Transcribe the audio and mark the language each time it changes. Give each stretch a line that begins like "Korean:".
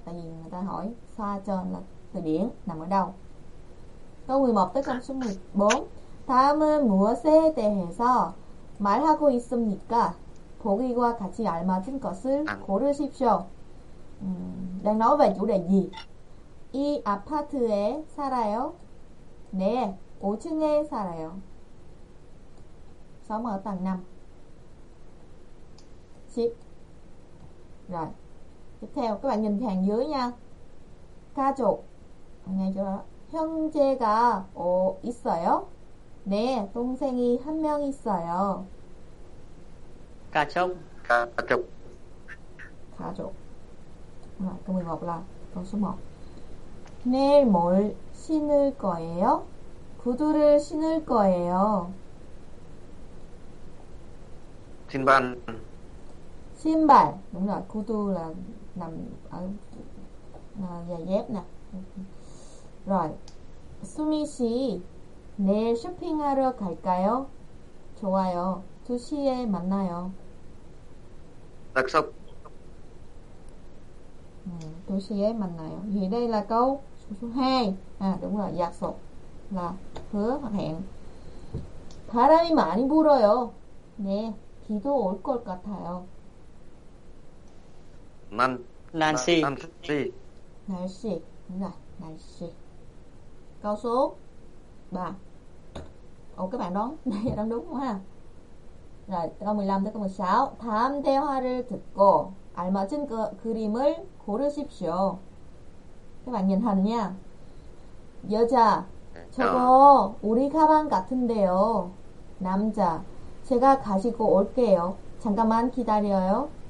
Vietnamese: Tại vì người ta hỏi 사전 là từ điển nằm ở đâu. Câu 11 tới câu số 14.
Korean: 다음은 무엇에 대해서 말하고 있습니까? 보기와 같이 알맞은 것을 고르십시오.
Vietnamese: Đang nói về chủ đề gì?
Korean: 이 아파트에 살아요? 네, 5층에 살아요.
Vietnamese: Sống ở tầng 5. 10. Rồi. Tiếp theo, các bạn nhìn hàng dưới nha.
Korean: 가족.
Vietnamese: Nghe chưa?
Korean: 형제가 있어요? 네, 동생이 한 명 있어요. 가족. 가족. 가족.
Vietnamese: Rồi, câu 11 là câu số 1.
Korean: 내일 뭘 신을 거예요? 구두를 신을 거예요. 신발. 신발.
Vietnamese: Đúng rồi, 구두 là nằm ở giày dép nè. Rồi.
Korean: 수미 씨, 내일 쇼핑하러 갈까요? 좋아요. 2시에 만나요. 약속. 2시에 만나요.
Vietnamese: Thì đây là câu số 2. À, đúng rồi, 약속 là hứa hoặc hẹn.
Korean: 바람이 많이 불어요. 네, 비도 올 것 같아요. 날씨. 날씨. 날씨. 네, 날씨.
Vietnamese: Câu số 3. Ồ, các bạn đoán đây là đoán đúng không ha? Rồi, câu 15 tới câu 16.
Korean: 다음 대화를 듣고 알맞은 그림을 고르십시오.
Vietnamese: Các bạn nhìn hình nha.
Korean: 여자, 저거 우리 가방 같은데요. 남자, 제가 가지고 올게요. 잠깐만 기다려요.